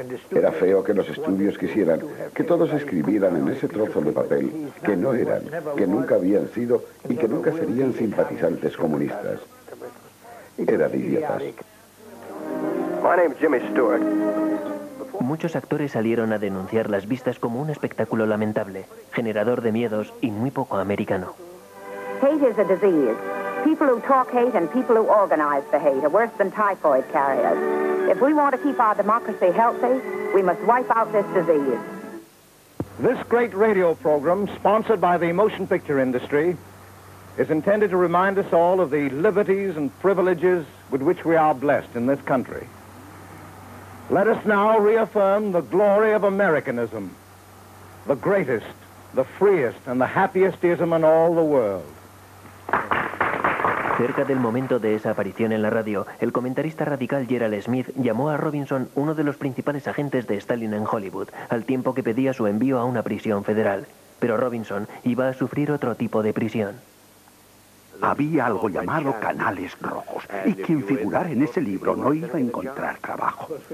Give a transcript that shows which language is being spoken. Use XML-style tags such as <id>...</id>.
<es>Era feo que los estudios quisieran que todos escribieran en ese trozo de papel que no eran, que nunca habían sido y que nunca serían simpatizantes comunistas. Eran idiotas.</es> <en>My name is Jimmy Stewart.</en> <es>Muchos actores salieron a denunciar las vistas como un espectáculo lamentable, generador de miedos y muy poco americano.</es> <en>Hate is a disease. People who talk hate and people who organize the hate are worse than typhoid carriers. If we want to keep our democracy healthy, we must wipe out this disease. This great radio program, sponsored by the motion picture industry, is intended to remind us all of the liberties and privileges with which we are blessed in this country. Let us now reaffirm the glory of Americanism. The greatest, the freest, and the happiest ism in all the world.</en> <es>Cerca del momento de esa aparición en la radio, el comentarista radical Gerald Smith llamó a Robinson uno de los principales agentes de Stalin en Hollywood, al tiempo que pedía su envío a una prisión federal. Pero Robinson iba a sufrir otro tipo de prisión. Había algo llamado Canales Rojos, y quien figurara en ese libro no iba a encontrar trabajo.</es>